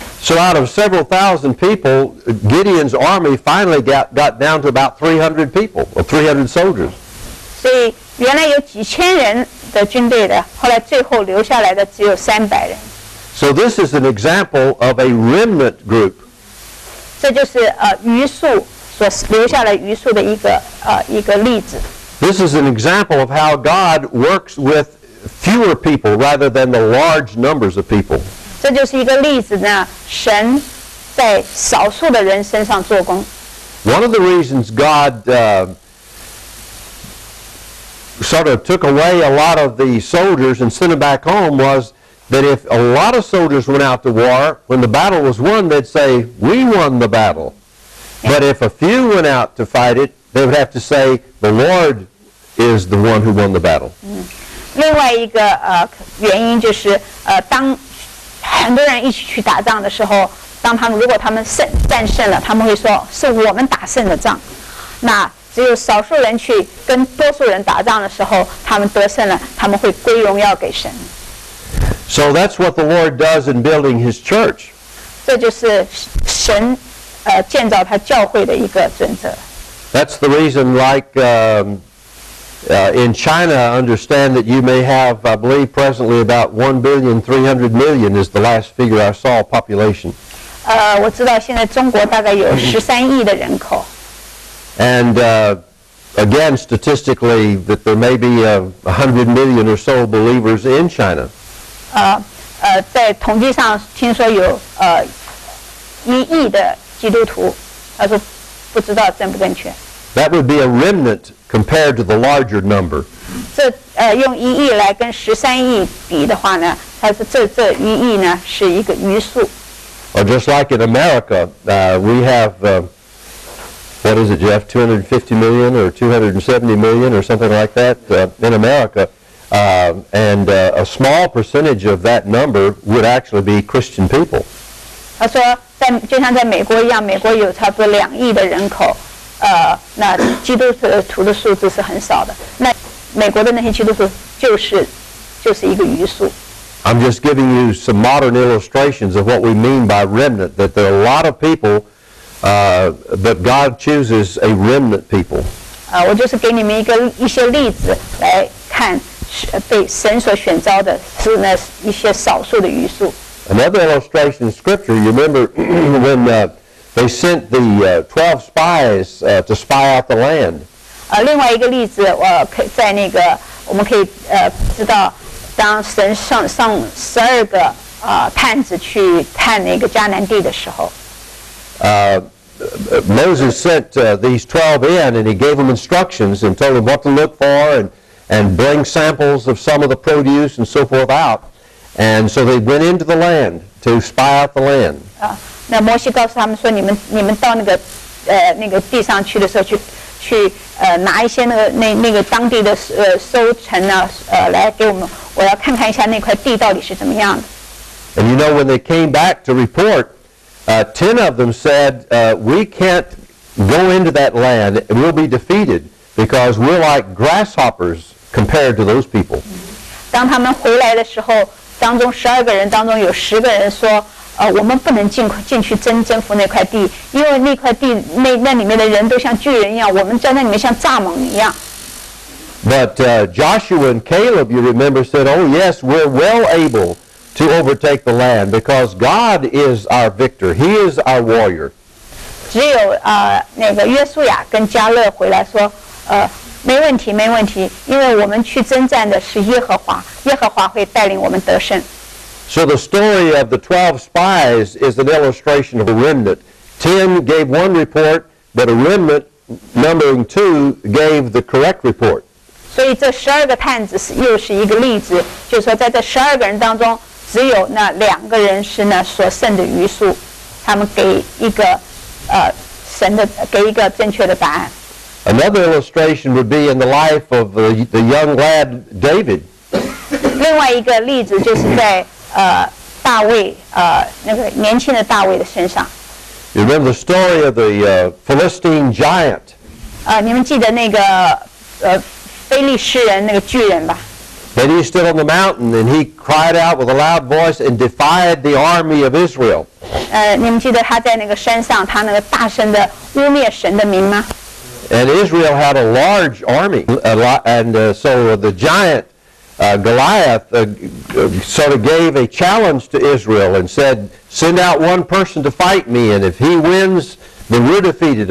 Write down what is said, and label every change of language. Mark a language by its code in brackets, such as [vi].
[en] So out of several thousand people, Gideon's army finally got down to about 300 people, or 300 soldiers. [zh] 原来有几千人的军队的,后来最后留下来的只有300人。 [en] So this is an example of a remnant group. [zh] 这就是, 余数,所留下来余数的一个, 一个例子。 [en] This is an example of how God works with fewer people rather than the large numbers of people. [zh] 这就是一个例子呢, 神在少数的人身上做工。 [en] One of the reasons God sort of took away a lot of the soldiers and sent them back home was that if a lot of soldiers went out to war, when the battle was won, they'd say, we won the battle. But if a few went out to fight it, they would have to say, the Lord is the one who won the battle. [zh] 另外一个原因就是当很多人一起去打仗的时候，当他们如果他们战胜了，他们会说是我们打胜的仗。那只有少数人去跟多数人打仗的时候，他们得胜了，他们会归荣耀给神。 [en] So that's what the Lord does in building His church. [zh] 这就是神建造他教会的一个准则。 [en] That's the reason, like in China, I understand that you may have, I believe presently, about 1,300,000,000 is the last figure I saw, population. [zh] 我知道现在中国大概有130,000,000的人口。 [en] And again, statistically, that there may be 100,000,000 or so believers in China. [zh] 在统计上听说有100,000,000的基督徒，他说不知道正不正确。 [en] That would be a remnant compared to the larger number. [zh] 这用一亿来跟十三亿比的话呢，它是这一亿呢是一个余数。 [en] Or just like in America, we have what is it, Jeff? 250,000,000 or 270,000,000 or something like that in America, and a small percentage of that number would actually be Christian people. [zh] 他说，在就像在美国一样，美国有差不多200,000,000的人口。那基督徒的数字是很少的。那美国的那些基督徒就是一个余数。 [en] I'm just giving you some modern illustrations of what we mean by remnant. That there are a lot of people, but God chooses a remnant people. [zh] 我就是给你们一些例子来看，被神所选召的是那一些少数的余数。 [en] Another illustration in Scripture. You remember when they sent the 12 spies to spy out the land. [zh] 另外一个例子，在那个我们可以知道，当神上12个探子去探那个迦南地的时候。 [en] Moses sent these 12 in, and he gave them instructions and told them what to look for and bring samples of some of the produce and so forth out. And so they went into the land to spy out the land. [zh] 那摩西告诉他们说，你们到那个地上去的时候去拿一些那个当地的收成啊，来给我们，我要看看一下那块地到底是怎么样的。 [en] And you know, when they came back to report, 10 of them said, we can't go into that land, we'll be defeated because we're like grasshoppers compared to those people. [zh] 当他们回来的时候，当中十二个人当中有十个人说，我们不能进去征服那块地，因为那块地那里面的人都像巨人一样，我们在那里面像蚱蜢一样。 [en] But Joshua and Caleb, you remember, said, "Oh yes, we're well able to overtake the land because God is our victor. He is our warrior." [zh] 只有那个约书亚跟加勒回来说，没问题，因为我们去征战的是耶和华，耶和华会带领我们得胜。 [en] So the story of the 12 spies is an illustration of a remnant. 10 gave one report, but a remnant numbering 2 gave the correct report. [zh] 所以这十二个探子又是一个例子，就是说在这十二个人当中，只有那两个人是那所剩的余数，他们给一个正确的答案。 [en] Another illustration would be in the life of the young lad David. [zh] 另外一个例子就是在大卫，那个年轻的大卫的身上。 [en] You remember the story of the Philistine giant? [zh] 你们记得那个非利士人那个巨人吧？ [en] That he stood on the mountain and he cried out with a loud voice and defied the army of Israel. [zh] 你们记得他在那个山上，他那个大声的污蔑神的名吗？ [en] And Israel had a large army, so the giant. Goliath sort of gave a challenge to Israel and said, send out one person to fight me, and if he wins, then we're defeated.